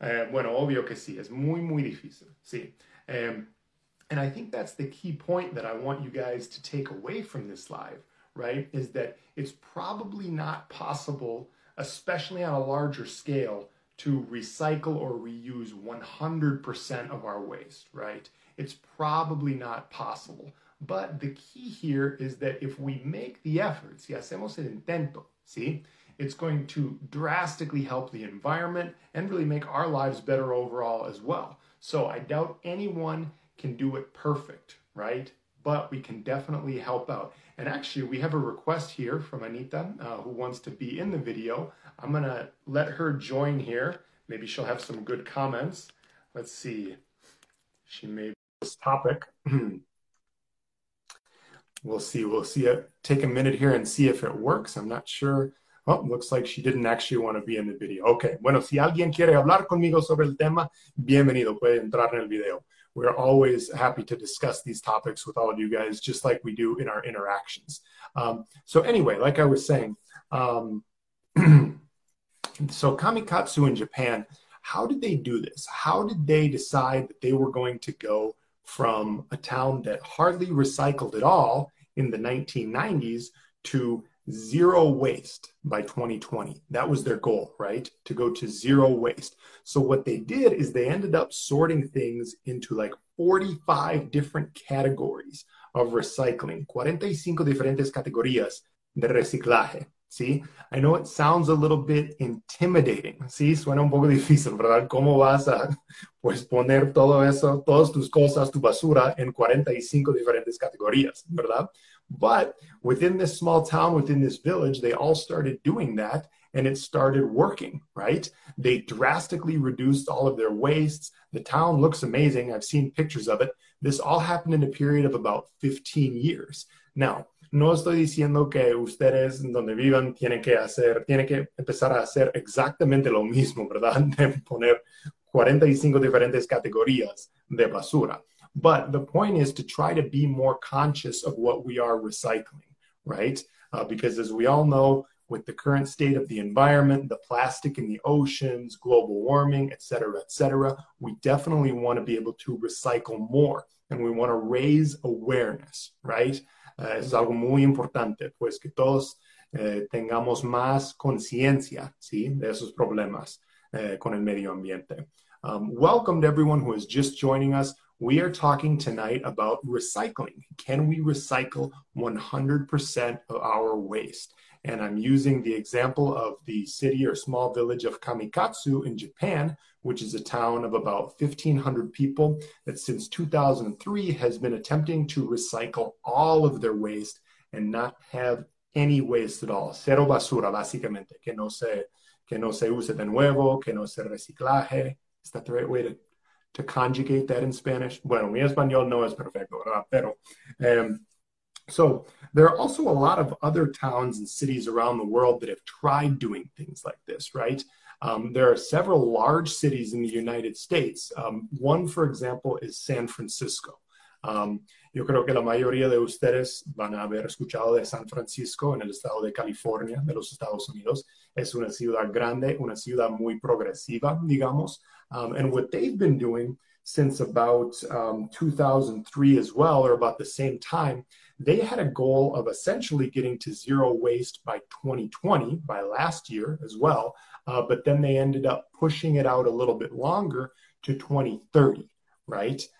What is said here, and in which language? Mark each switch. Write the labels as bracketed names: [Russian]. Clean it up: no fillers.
[Spanish] Bueno, obvio que sí. Es muy, muy difícil. Sí. [English] And I think that's the key point that I want you guys to take away from this live, right? Is that it's probably not possible, especially on a larger scale, to recycle or reuse 100% of our waste, right? It's probably not possible. But the key here is that if we make the effort, [Spanish] si hacemos el intento, ¿sí? [English] It's going to drastically help the environment and really make our lives better overall as well. So I doubt anyone can do it perfect, right? But we can definitely help out. And actually, we have a request here from Anita, who wants to be in the video. I'm gonna let her join here. Maybe she'll have some good comments. Let's see. She made this topic. We'll see. Take a minute here and see if it works. I'm not sure. Oh, looks like she didn't actually want to be in the video. Okay. [Spanish] Bueno, si alguien quiere hablar conmigo sobre el tema, bienvenido. Puede entrar en el video. [English] We're always happy to discuss these topics with all of you guys, just like we do in our interactions. So Kamikatsu in Japan, how did they do this? How did they decide that they were going to go from a town that hardly recycled at all in the 1990s to zero waste by 2020? That was their goal, right? To go to zero waste. So what they did is they ended up sorting things into like 45 different categories of recycling. [Spanish] 45 diferentes categorías de reciclaje. [English] See, I know it sounds a little bit intimidating. [Spanish] Sí, suena un poco difícil, ¿verdad? ¿Cómo vas a pues poner todo eso, todas tus cosas, tu basura en 45 diferentes categorías, ¿verdad? [English] But within this small town, within this village, they all started doing that and it started working, right? They drastically reduced all of their wastes. The town looks amazing. I've seen pictures of it. This all happened in a period of about 15 years. [Spanish] Now, no estoy diciendo que ustedes donde vivan tienen que empezar a hacer exactamente lo mismo, ¿verdad? De poner 45 diferentes categorías de basura. [English] But the point is to try to be more conscious of what we are recycling, right? Because as we all know, with the current state of the environment, the plastic in the oceans, global warming, et cetera, we definitely want to be able to recycle more. And we want to raise awareness, right? [Spanish] Es algo muy importante, pues que todos tengamos más conciencia, ¿sí? De esos problemas con el medio ambiente. [English] Welcome to everyone who is just joining us. We are talking tonight about recycling. Can we recycle 100% of our waste? And I'm using the example of the city or small village of Kamikatsu in Japan, which is a town of about 1,500 people that since 2003 has been attempting to recycle all of their waste and not have any waste at all. [Spanish] Cero basura, básicamente. Que no se use de nuevo, que no se reciclaje. [English] Is that the right way to conjugate that in Spanish? [Spanish] Bueno, mi español no es perfecto, ¿verdad? Pero [English] So there are also a lot of other towns and cities around the world that have tried doing things like this, right? There are several large cities in the United States. One, for example, is San Francisco. [Spanish] Yo creo que la mayoría de ustedes van a haber escuchado de San Francisco en el estado de California, de los Estados Unidos. Es una ciudad grande, una ciudad muy progresiva, digamos. [English] And what they've been doing since about 2003 as well, or about the same time, they had a goal of essentially getting to zero waste by 2020, by last year as well. But then they ended up pushing it out a little bit longer to 2030, right?